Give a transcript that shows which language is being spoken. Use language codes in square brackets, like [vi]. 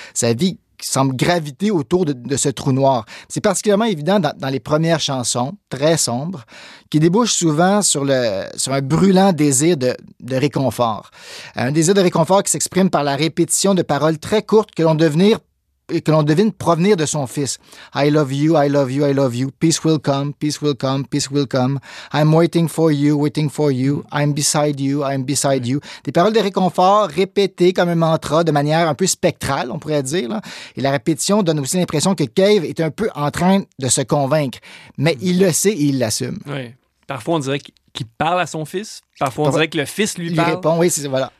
[fr] Sa vie semble graviter autour de ce trou noir. C'est particulièrement évident dans les premières chansons, très sombres, qui débouchent souvent sur un brûlant désir de réconfort. Un désir de réconfort qui s'exprime par la répétition de paroles très courtes que l'on devine provenir de son fils. [en] I love you, I love you, I love you. Peace will come, peace will come, peace will come. I'm waiting for you, I'm beside you, I'm beside you. [fr] Des paroles de réconfort répétées comme un mantra de manière un peu spectrale, on pourrait dire, là. Et la répétition donne aussi l'impression que Cave est un peu en train de se convaincre. Mais il le sait et il l'assume. Oui. Parfois, on dirait qu'il parle à son fils. Parfois, on dirait que le fils lui parle. Il répond, oui, voilà.